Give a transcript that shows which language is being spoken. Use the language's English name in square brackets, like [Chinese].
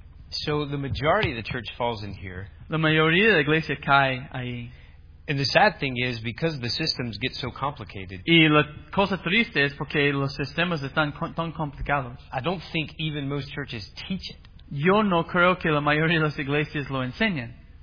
[English] So the majority of the church falls in here. [Spanish] La mayoría de la iglesia cae ahí. [English] And the sad thing is, because the systems get so complicated. [Spanish] Y la cosa triste es porque los sistemas están tan complicados. [English] I don't think even most churches teach it. [Spanish] Yo no creo que la mayoría de las iglesias lo enseñen.